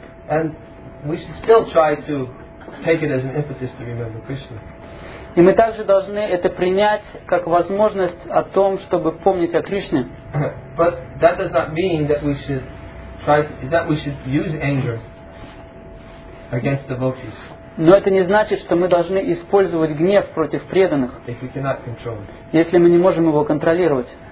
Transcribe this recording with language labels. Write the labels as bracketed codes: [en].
[en] And we should still try to take it as an impetus to remember Krishna. [ru] И мы также должны это принять как возможность о том, чтобы помнить о Кришне. [en] But that does not mean that we should try that we should use anger against devotees. [ru] Но это не значит, что мы должны использовать гнев против преданных, если мы не можем его контролировать.